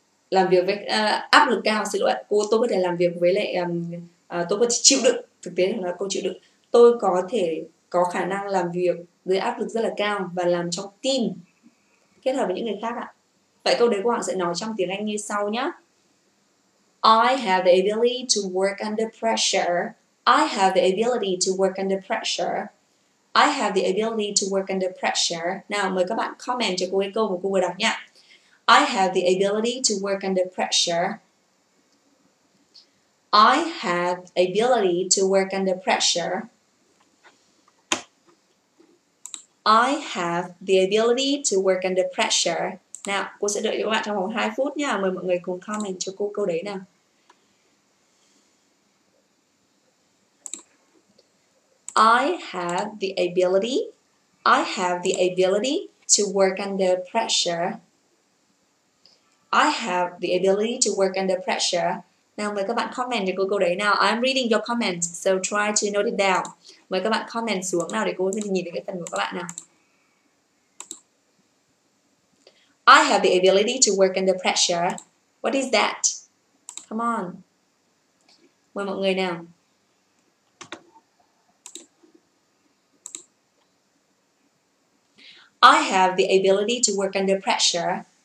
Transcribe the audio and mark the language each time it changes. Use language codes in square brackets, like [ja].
[vi] Làm việc với áp lực cao, xin lỗi ạ. Cô tôi có thể làm việc với lại tôi có thể chịu đựng, thực tế là cô chịu đựng. Tôi có thể có khả năng làm việc với áp lực rất là cao và làm trong team kết hợp với những người khác ạ. Vậy câu đấy của bạn sẽ nói trong tiếng Anh như sau nhá. [en] I have the ability to work under pressure. I have the ability to work under pressure. I have the ability to work under pressure. [vi] Nào, mời các bạn comment cho cô cái câu mà cô vừa đọc nhé. [en] I have the ability to work under pressure. I have ability to work under pressure. I have the ability to work under pressure. [vi] Nào, cô sẽ đợi các bạn trong vòng 2 phút nha. Mời mọi người cùng comment cho cô câu đấy nào. [en] I have the ability to work under pressure. I have the ability to work under pressure. [vi] Nào mời các bạn comment cho cô câu đấy nào. [en] I'm reading your comments, so try to note it down. [vi] Mời các bạn comment xuống nào để cô nhìn thấy cái phần của các bạn nào. [en] I have the ability to work under pressure. What is that? Come on. [vi] Mời mọi người nào. [en] I have the ability to work under pressure.